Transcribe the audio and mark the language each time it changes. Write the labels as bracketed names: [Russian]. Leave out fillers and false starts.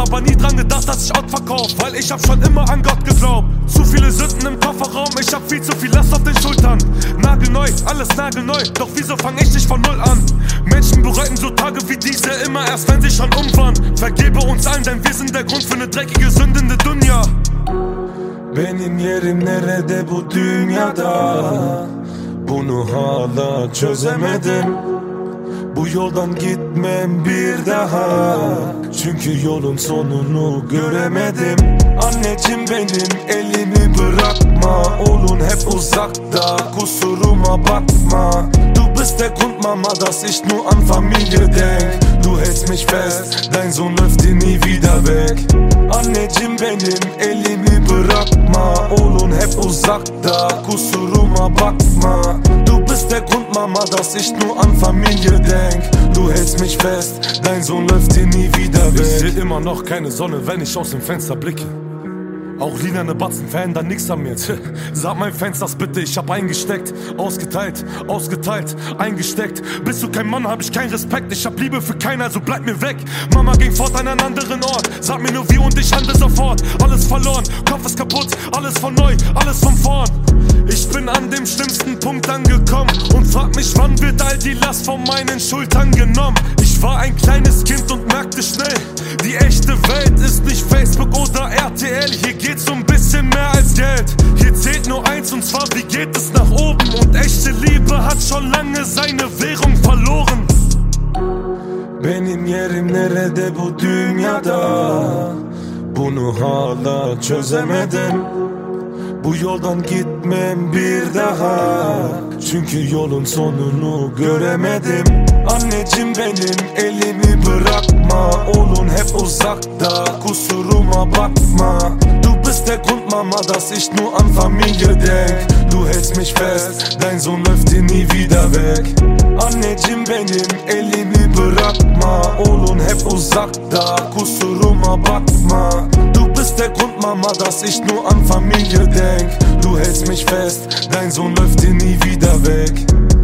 [German] Aber nie dran gedacht, dass ich Ort verkauf. Weil ich hab schon immer an Gott geglaubt. Zu viele Sünden im Kofferraum. Ich hab viel zu viel Last auf den Schultern. Nagelneu, alles nagelneu. Doch wieso fang ich nicht von null an? Menschen bereuten so Tage wie diese immer erst, wenn sie schon um waren. Vergebe uns allen, denn wir sind der Grund für ne dreckige, sündende Dunja. [Turkish] Benim yerim nerede bu dünyada? Bunu hala çözemedim. Bu yoldan gitmem bir daha. Çünkü yolun sonunu göremedim. Anneciğim benim, elimi bırakma. Oğlun hep uzakta, kusuruma bakma. [German] Du bist der Grund, Mama, dass ich nur an Familie denk. Du hältst mich fest, dein Sohn läuft dir nie wieder weg. [Turkish] Anneciğim benim, elimi bırakma. Oğlun hep uzakta, kusuruma bakma. [German] Du bist der Grund, Mama, dass ich nur an Familie denk. Du hältst mich fest, dein Sohn läuft dir nie wieder weg. Ich seh immer noch keine Sonne, wenn ich aus dem Fenster blicke. Auch Lina ne Batzen verändern nix an mir. Sag mein Fensters bitte, ich hab eingesteckt. Ausgeteilt, ausgeteilt, eingesteckt. Bist du kein Mann, hab ich keinen Respekt. Ich hab Liebe für keinen, also bleib mir weg. Mama ging fort an einen anderen Ort. Sag mir nur wie und ich handle sofort. Alles verloren, Kopf ist kaputt. Alles von neu, alles von vorn. Ich bin an dem schlimmsten Punkt angekommen. Und frag mich, wann wird all die Last von meinen Schultern genommen. Ich war ein kleines Kind und merkte schnell, die echte Welt ist nicht Facebook oder RTL. Hier geht's um ein bisschen mehr als Geld. Hier zählt nur eins und zwar, wie geht es nach oben. Und echte Liebe hat schon lange seine Währung verloren. [Turkish] Benim yerim nerede bu dünyada? Bunu hala çözemedim. Bu yoldan gitmem bir daha. Çünkü yolun sonunu göremedim. Anneciğim benim, elimi bırakma. Oğlun hep uzakta, kusuruma bakma. [German] Du bist der Grund, Mama, dass ich nur an Familie denk. Du hältst mich fest, dein Sohn läuft dir nie wieder weg. [Turkish] Anneciğim benim, elimi bırakma. Oğlun hep uzakta, kusuruma bakma. [German] Du bist der Grund, Mama, dass ich nur an Familie denk. Du hältst mich fest, dein Sohn läuft dir nie wieder weg.